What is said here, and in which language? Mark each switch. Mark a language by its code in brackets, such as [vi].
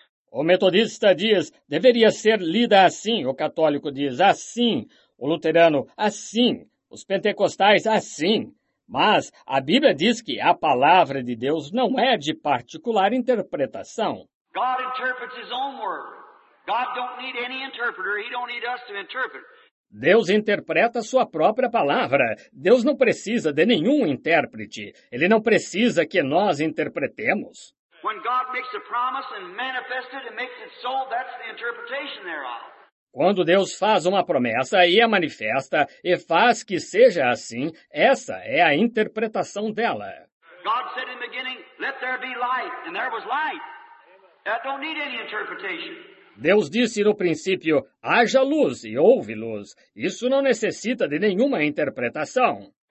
[pt] O metodista diz, deveria ser lida assim, o católico diz assim, o luterano assim, os pentecostais assim. Mas a Bíblia diz que a palavra de Deus não é de particular interpretação. [en] God interprets his own word. God don't need any interpreter. He don't need us to interpret. [pt] Deus interpreta a sua própria palavra. Deus não precisa de nenhum intérprete. Ele não precisa que nós interpretemos. [en] When God makes a promise and manifests it and makes it so, that's the interpretation thereof. [pt] Quando Deus faz uma promessa e a manifesta e faz que seja assim, essa é a interpretação dela. [en] God said in the beginning, let there be light, and there was light. That don't need any interpretation. [pt] Deus disse no princípio, haja luz e houve luz. Isso não necessita de nenhuma interpretação.